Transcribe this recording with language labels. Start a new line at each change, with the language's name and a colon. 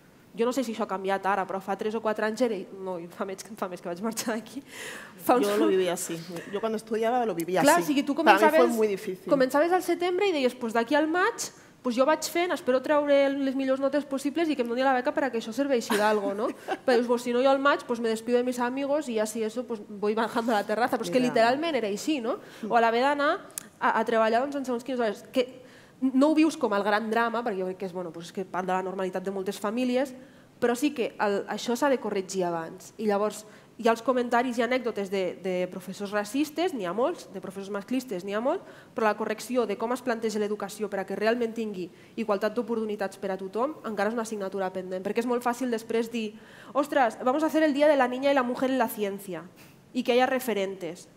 Catalan: Jo no sé si això ha canviat ara, però fa 3 o 4 anys era... No, fa més que vaig marxar d'aquí. Jo lo vivia així. Jo quan estudiava lo vivia així. Clar, o sigui, tu començaves al setembre i deies, pues, d'aquí al maig, pues, jo vaig fent, espero treure les millors notes possibles i que em doni la beca perquè això serveixi d'algo, no? Però pues, si no, jo al maig
Spanish: pues, me despido de mis amigos i así eso, pues, voy bajando a la terraza.
Catalan: Però és que literalment era així, no? O a l'haver d'anar a treballar doncs, en segons quines hores. Que, no ho vius com el gran drama, perquè jo crec que és, bueno, doncs que part de la normalitat de moltes famílies, però sí que això s'ha de corregir abans. I llavors hi ha els comentaris i anècdotes de professors racistes, n'hi ha molts, de professors masclistes, n'hi ha molt, però la correcció de com es planteja l'educació perquè realment tingui igualtat d'oportunitats per a tothom encara és una assignatura pendent, perquè és molt fàcil després dir, ostres,
Spanish: vamos a hacer el día de la niña y la mujer en la ciencia
Catalan: i que hi ha referentes.